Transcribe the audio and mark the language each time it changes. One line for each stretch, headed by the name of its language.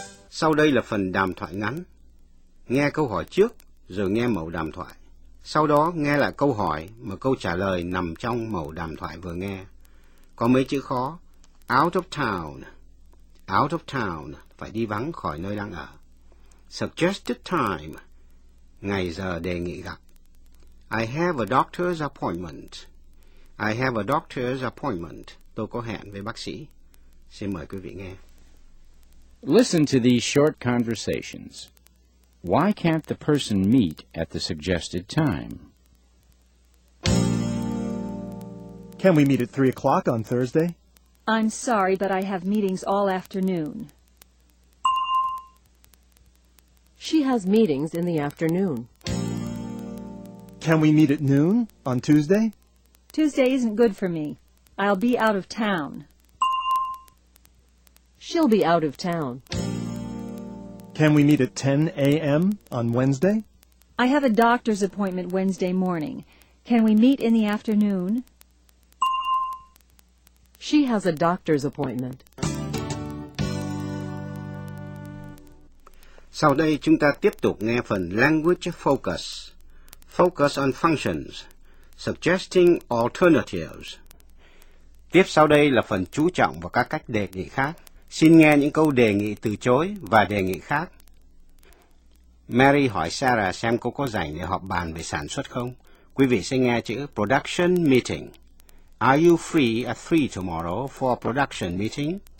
Vietnamese: Sau đây là phần đàm thoại ngắn. Nghe câu hỏi trước, rồi nghe mẫu đàm thoại. Sau đó nghe lại câu hỏi mà câu trả lời nằm trong mẫu đàm thoại vừa nghe. Có mấy chữ khó.
English: Out of town. Out of town.
Vietnamese: Phải đi vắng khỏi nơi đang ở.
English: Suggested time.
Vietnamese: Ngày giờ đề nghị gặp.
English: I have a doctor's appointment. I have a doctor's appointment.
Vietnamese: Tôi có hẹn với bác sĩ. Xin mời quý vị nghe.
English: Listen to these short conversations. Why can't the person meet at the suggested time? Can we meet at 3 o'clock on Thursday? I'm sorry, but I have meetings all afternoon. She has meetings in the afternoon. Can we meet at noon on Tuesday? Tuesday isn't good for me. I'll be out of town. She'll be out of town. Can we meet at 10 a.m. on Wednesday? I have a doctor's appointment Wednesday morning. Can we meet in the afternoon? She has a doctor's appointment.
Vietnamese: Sau đây chúng ta tiếp tục nghe phần Language Focus.
English: Focus on functions. Suggesting alternatives.
Vietnamese: Tiếp sau đây là phần chú trọng vào các cách đề nghị khác. Xin nghe những câu đề nghị từ chối và đề nghị khác. Mary hỏi Sarah xem cô có rảnh để họp bàn về sản xuất không. Quý vị sẽ nghe chữ production meeting.
English: Are you free at 3 tomorrow for a production meeting?